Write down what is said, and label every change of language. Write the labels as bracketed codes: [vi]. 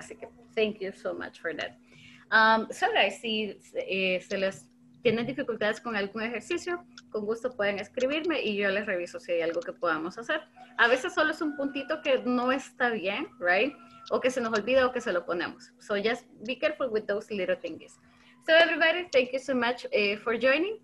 [es] Así que [en] thank you so much for that. [es] So guys, si se les tienen dificultades con algún ejercicio, con gusto pueden escribirme y yo les reviso si hay algo que podamos hacer. A veces solo es un puntito que no está bien, [en] right? [es] O que se nos olvida o que se lo ponemos. [en] So just be careful with those little things. So everybody, thank you so much for joining.